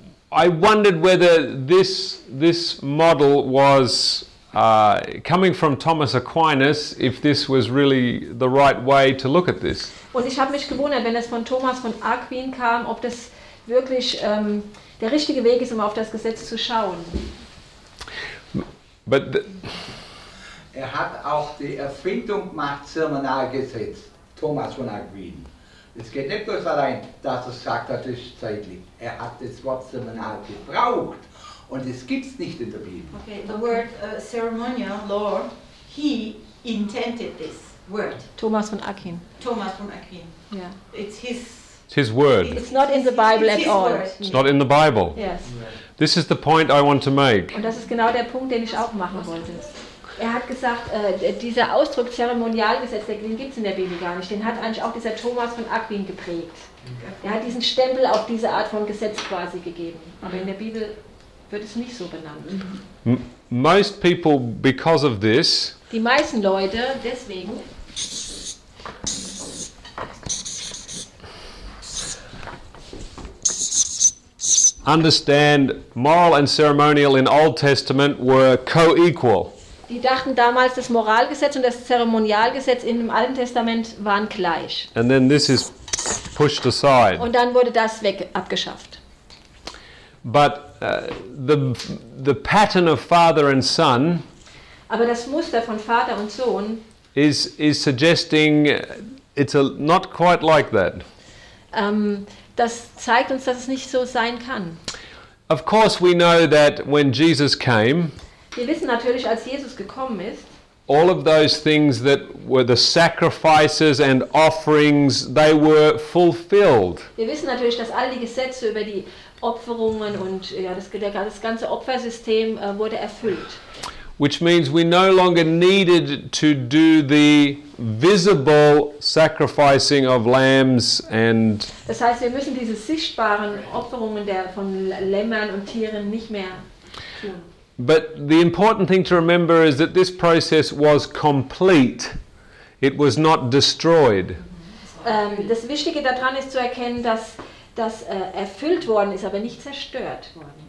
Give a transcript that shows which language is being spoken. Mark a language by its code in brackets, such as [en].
[en] I wondered whether this model was coming from Thomas Aquinas, if this was really the right way to look at this. [de] Und ich habe mich gewundert, wenn es von Thomas von Aquin kam, ob das wirklich der richtige Weg ist, um auf das Gesetz zu schauen. [en] But [de] er hat auch die Erfindung gemacht, Zirmenalgesetz, Thomas von Aquin. Es geht nicht bloß allein, dass er sagt, das ist zeitlich. Er hat das Wort Zirmenal gebraucht und es gibt's nicht in der Bibel. [en] Okay, the word ceremonial, law, he intended this word. [de] Thomas von Aquin. Thomas von Aquin. [en] Yeah. It's his word. It's not in the Bible at all. Word. It's not in the Bible. Yes. This is the point I want to make. [de] Und das ist genau der Punkt, den ich auch machen wollte. Er hat gesagt, dieser Ausdruck Zeremonialgesetz, den gibt es in der Bibel gar nicht. Den hat eigentlich auch dieser Thomas von Aquin geprägt. Er hat diesen Stempel auf diese Art von Gesetz quasi gegeben. Aber in der Bibel wird es nicht so benannt. [en] Most people, because of this, [de] die meisten Leute deswegen. [en] Understand moral and ceremonial in Old Testament were co-equal. [de] Die dachten damals, das Moralgesetz und das Zeremonialgesetz im Alten Testament waren gleich. [en] And then this is pushed aside. [de] Und dann wurde das weg abgeschafft. [en] But the pattern of father and son. [de] Aber das Muster von Vater und Sohn. [en] Is suggesting it's a not quite like that. [de] Das zeigt uns, dass es nicht so sein kann. [en] Of course we know that when Jesus came. [de] Wir wissen natürlich, als Jesus gekommen ist. [en] All of those things that were the sacrifices and offerings, they were fulfilled. [de] Wir wissen natürlich, dass all die Gesetze über die Opferungen und ja, das ganze Opfersystem wurde erfüllt. [en] Which means we no longer needed to do the visible sacrificing of lambs and. [de] Das heißt, wir müssen diese sichtbaren Opferungen von Lämmern und Tieren nicht mehr tun. [en] But the important thing to remember is that this process was complete. It was not destroyed. [de] Das Wichtige daran ist zu erkennen, dass das erfüllt worden ist, aber nicht zerstört worden.